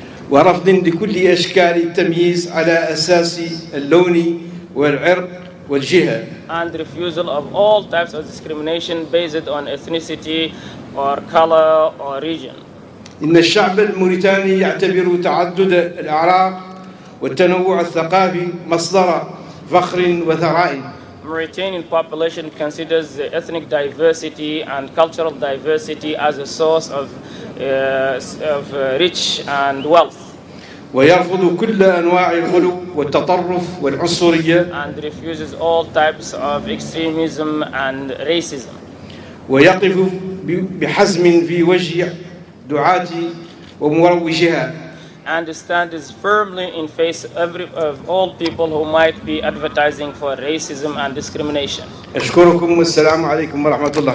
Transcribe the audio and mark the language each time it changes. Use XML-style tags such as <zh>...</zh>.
<ar>ورفض لكل أشكال التمييز على أساس اللون والعرق والجهة</ar> <en>and refusal of all types of discrimination based on ethnicity or color or region.</en> <ar>إن الشعب الموريتاني يعتبر تعدد الأعراق والتنوع الثقافي مصدر فخر وثراء.</ar> <en>Mauritanian population considers the ethnic diversity and cultural diversity as a source of rich and wealth.</en> <ar>ويرفض كل أنواع الغلو والتطرف والعنصرية</ar> <en>and refuses all types of extremism and racism.</en> <ar>ويقف بحزم في وجه دعاة ومروجها</ar> <en>and stands firmly in face of all people who might be advertising for racism and discrimination.</en> <ar>أشكركم والسلام عليكم ورحمة الله.</ar>